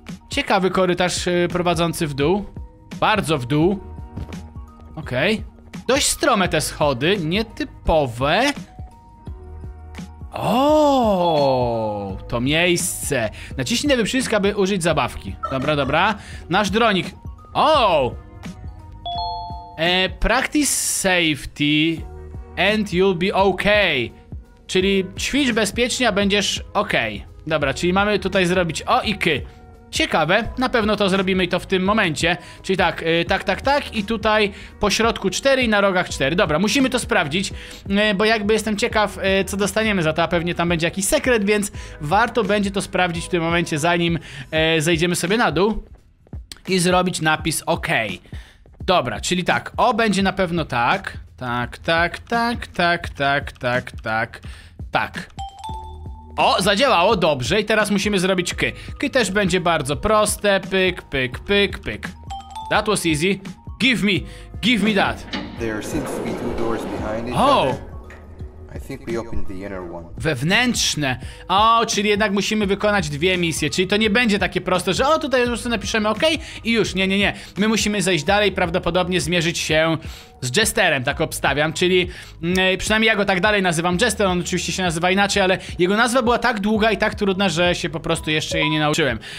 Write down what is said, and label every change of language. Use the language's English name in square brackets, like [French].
[Polish] Ciekawy korytarz prowadzący w dół. Bardzo w dół. Okej. Okay. Dość strome te schody, nietypowe. O, to miejsce. Naciśnij lewy przycisk, aby użyć zabawki. Dobra, dobra. Nasz dronik. O! [English] Practice safety and you'll be okay. [Polish] Czyli ćwicz bezpiecznie, a będziesz okej. Okay. Dobra, czyli mamy tutaj zrobić o i k. Ciekawe, na pewno to zrobimy i to w tym momencie. Czyli tak, tak, tak, tak. I tutaj po środku 4 i na rogach 4. Dobra, musimy to sprawdzić, bo jakby jestem ciekaw, co dostaniemy za to. A pewnie tam będzie jakiś sekret, więc warto będzie to sprawdzić w tym momencie, zanim zejdziemy sobie na dół i zrobić napis OK. Dobra, czyli tak, o będzie na pewno tak. Tak, tak, tak, tak, tak, tak, tak. Tak. O, zadziałało, dobrze. I teraz musimy zrobić k. K też będzie bardzo proste. [English] Pyk, pyk, pyk, pyk. That was easy. Give me that. There seems to be two doors behind each other. I think we opened the inner one. [Polish] Wewnętrzne. O, czyli jednak musimy wykonać dwie misje. Czyli to nie będzie takie proste, że o, tutaj po prostu napiszemy OK i już. Nie, nie, nie. My musimy zejść dalej, prawdopodobnie zmierzyć się z Jesterem, tak obstawiam, czyli przynajmniej ja go tak dalej nazywam Jester, on oczywiście się nazywa inaczej, ale jego nazwa była tak długa i tak trudna, że się po prostu jeszcze jej nie nauczyłem.